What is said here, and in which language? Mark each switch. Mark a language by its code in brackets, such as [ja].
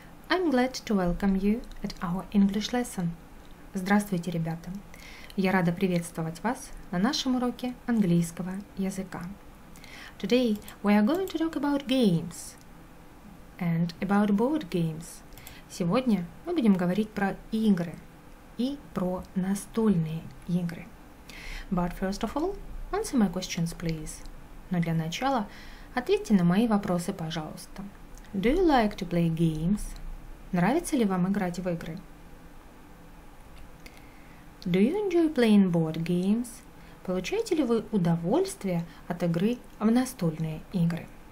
[en] I'm glad to welcome you at our English lesson. [ru] Здравствуйте, ребята. Я рада приветствовать вас на нашем уроке английского языка. [en] Today we are going to talk about games and about board games. [ru] Сегодня мы будем говорить про игры и про настольные игры. [en] But first of all, answer my questions, please. [ru] Но для начала ответьте на мои вопросы, пожалуйста. [en] Do you like to play games? [ru] Нравится ли вам играть в игры? [en] Do you enjoy playing board games? [ru] Получаете ли вы удовольствие от игры в настольные игры?